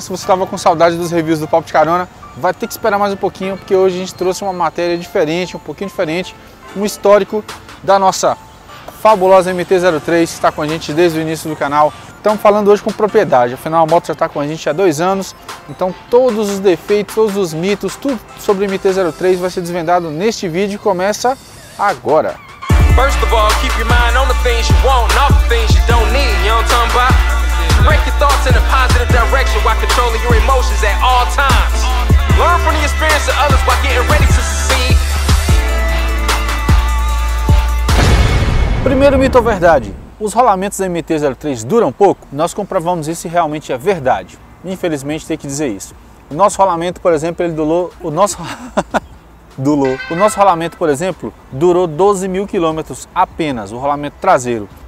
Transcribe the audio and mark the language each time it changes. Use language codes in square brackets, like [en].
[pt] Se você estava com saudade dos reviews do Papo de Carona, vai ter que esperar mais um pouquinho, porque hoje a gente trouxe uma matéria diferente, um pouquinho diferente, um histórico da nossa fabulosa MT-03, que está com a gente desde o início do canal. Estamos falando hoje com propriedade, afinal a moto já está com a gente há 2 anos, então todos os defeitos, todos os mitos, tudo sobre MT-03 vai ser desvendado neste vídeo e começa agora! [en] First of all, keep your mind on the things you want, not the things you don't need, you know what I'm talking about? Break your thoughts in a positive direction while controlling your emotions at all times. Learn from the experience of others while getting ready to succeed. [pt] Primeiro mito ou verdade? Os rolamentos da MT-03 duram pouco? Nós comprovamos isso e realmente é verdade. Infelizmente, tem que dizer isso. O nosso rolamento, por exemplo, ele durou... O nosso rolamento, por exemplo, durou 12 mil quilômetros apenas, o rolamento traseiro.